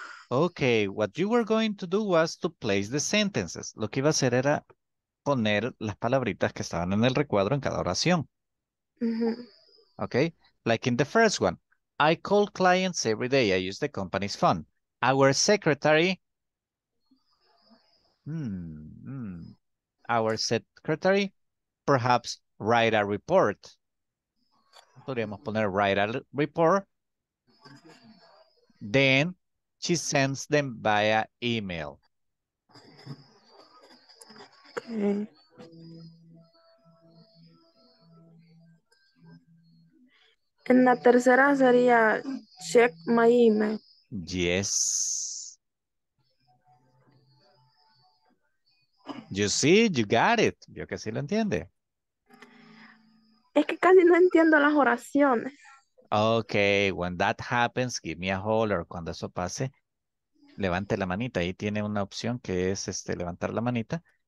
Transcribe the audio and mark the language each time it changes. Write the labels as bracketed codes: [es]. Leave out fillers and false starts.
[en] Okay, what you were going to do was to place the sentences. [es] Lo que iba a hacer era poner las palabritas que estaban en el recuadro en cada oración. Mm-hmm. [en] Okay, like in the first one, I call clients every day. I use the company's phone. Our secretary. Our secretary perhaps write a report. [es] Podríamos poner [en] write a report. Then she sends them via email. Okay. [es] En la tercera sería [en] check my email. Yes. You see, you got it. [es] Yo que sí lo entiende. Es que casi no entiendo las oraciones. [en] Okay, when that happens, give me a holler. [es] Cuando eso pase, levante la manita. Ahí tiene una opción que es este, levantar la manita.